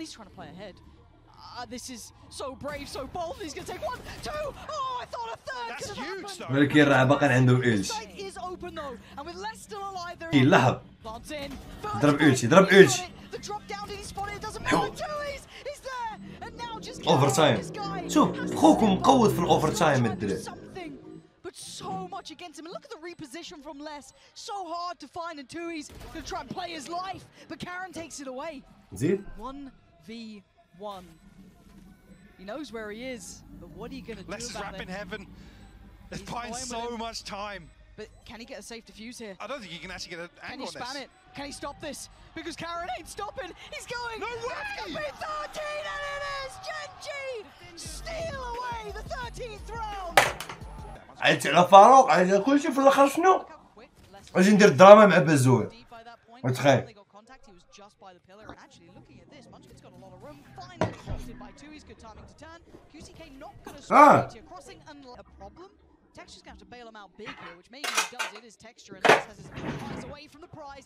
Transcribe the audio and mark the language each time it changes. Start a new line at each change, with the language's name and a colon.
English: He's trying to play ahead. This is so brave, so bold. He's gonna take one, two. Oh, I thought a third. That's huge, though. Look here, I'm back and the ulti. Site is open though, and with less still alive, there. He'll have. Drop ulti. The drop down that he spotted doesn't matter. Two is, he's there, and now just. Overtime.
Arabic: So, خوكم قوي في overtime الدري.
English: So much against him. And look at the reposition from Les. So hard to find, and two is gonna try and play his life, but Karen takes it away. Is it? 1v1. He knows where he is, but what are you gonna do about it? Less is rap in heaven. He's buying so much time. But can he get a safe defuse here? I don't think he can actually get an angle on this. Can he spam it? Can he stop this? Because Karen ain't stopping. He's going. No way! That's gonna be 13, and it is Genji steal away the 13th round.
Arabic: عاد على فاروق عاد على كلشي في الاخر شنو؟ اجي ندير الدراما مع بازوي. وتخيل.
English: Just by the pillar, and actually looking at this, Munchkin's got a lot of room. Finally spotted by two, he's good timing to turn. QCK not gonna score. Ah. Crossing and a problem. Texture's gonna have to bail him out big here, which maybe he does. It is texture, and this has his eyes away from the prize.